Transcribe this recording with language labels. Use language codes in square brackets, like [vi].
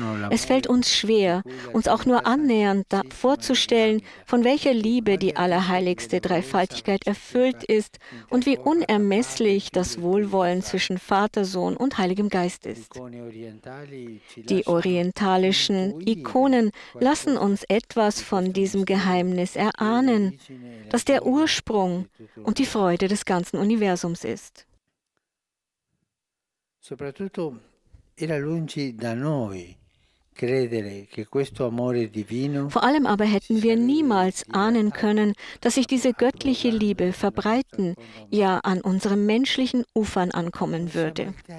[de] Es fällt uns schwer, uns auch nur annähernd vorzustellen, von welcher Liebe die allerheiligste Dreifaltigkeit erfüllt ist und wie unermesslich das Wohlwollen zwischen Vater, Sohn und Heiligem Geist ist. Die orientalischen Ikonen lassen uns etwas von diesem Geheimnis erahnen, das der Ursprung und die Freude des ganzen Universums ist. [it] Soprattutto era lungi da noi credere che questo amore divino. [de] Vor allem aber hätten wir niemals ahnen können, dass sich diese göttliche Liebe verbreiten, ja an unseren menschlichen Ufern ankommen würde.